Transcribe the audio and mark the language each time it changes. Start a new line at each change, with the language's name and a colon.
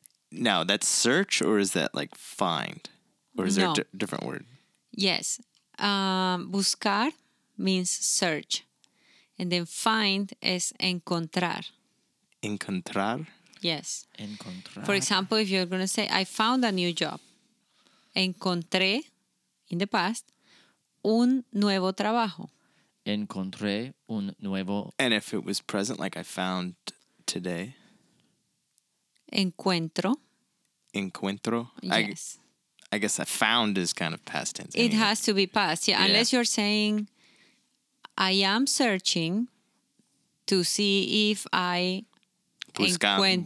English: Now, that's search or is that like find? Or is no. there a different word? Yes. Buscar means search. And then find is encontrar.
Spanish: Encontrar?
English: Yes.
Spanish: Encontrar.
English: For example, if you're going to say, I found a new job.
Spanish: Encontré,
English: in the past,
Spanish: un nuevo trabajo. Encontré un nuevo.
English: And if it was present, like I found today?
Spanish: Encuentro. Encuentro?
English: Yes. I guess I found is kind of past tense. It has to be past. Yeah, unless you're saying, I am searching to see if I encuentro.